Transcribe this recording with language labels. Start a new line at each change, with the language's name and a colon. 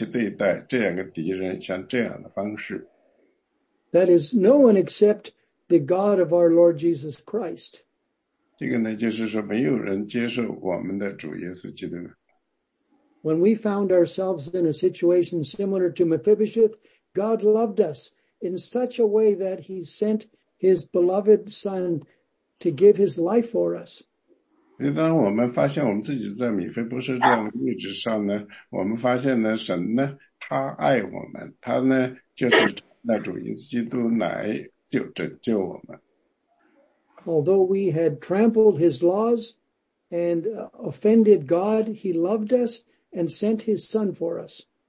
Chinese: 所以呢，对一个敌人来说呢，他呢首先是敌人，然后呢他是一个瘸腿的，然后也是一个逃犯。那么说呢，这样的时期呢，没有任何一个敌人去对待这样的敌人像这样的方式。
English: That is no one except the God of our Lord Jesus Christ.
Chinese: 这个呢，就是说没有人接受我们的主耶稣基督。
English: When we found ourselves in a situation similar to Mephibosheth, God loved us in such a way that he sent his beloved son to give his life for us.
Chinese: 当我们发现我们自己在米菲波设这样的位置上呢，我们发现呢，神呢，他爱我们，他呢，就是那主耶稣基督来拯救我们。
English: Although we had trampled his laws and offended God, he loved us and sent his son for us.